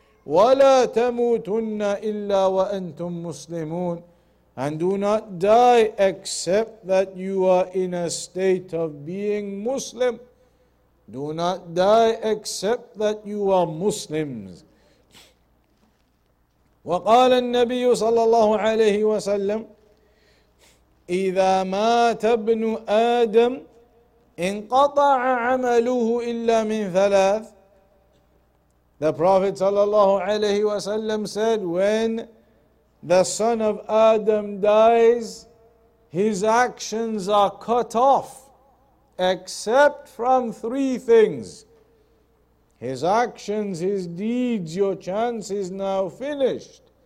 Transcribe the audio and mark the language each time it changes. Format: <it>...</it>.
<ar>وَلَا تَمُوتُنَّ إِلَّا وَأَنْتُمْ مُسْلِمُونَ.</ar> <en>And do not die except that you are in a state of being Muslim. Do not die except that you are Muslims.</en> <ar>وَقَالَ النَّبِيُّ صَلَى اللَّهُ عَلَيْهِ وَسَلَّمُ إِذَا مَاتَ ابْنُ آدَمُ انقطع عمله إلا من ثلاث.</ar> <en>The Prophet</en> <ar>صلى الله عليه وسلم</ar> <en>said, when the son of Adam dies, his actions are cut off except from three things. his actions, his deeds, your chance is now finished.</en>